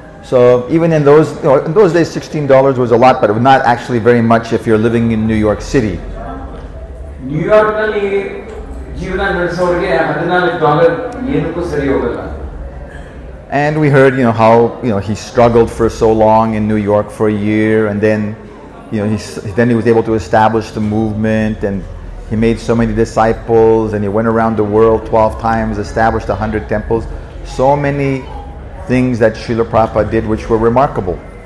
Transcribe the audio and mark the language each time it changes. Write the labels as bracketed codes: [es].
[en] So even in those days $16 was a lot, but it was not actually very much if you're living in New York City. [kn] New York ನಲ್ಲಿ ಜೀವನ ನಡೆಸುವವರಿಗೆ $14 ಏನಕ್ಕೂ ಸರಿ ಹೋಗಲ್ಲ. [en] And we heard, you know, how, you know, he struggled for so long in New York for a year, and then, you know, he was able to establish the movement, and he made so many disciples, and he went around the world 12 times, established 100 temples. So many things that Srila Prabhupada did which were remarkable.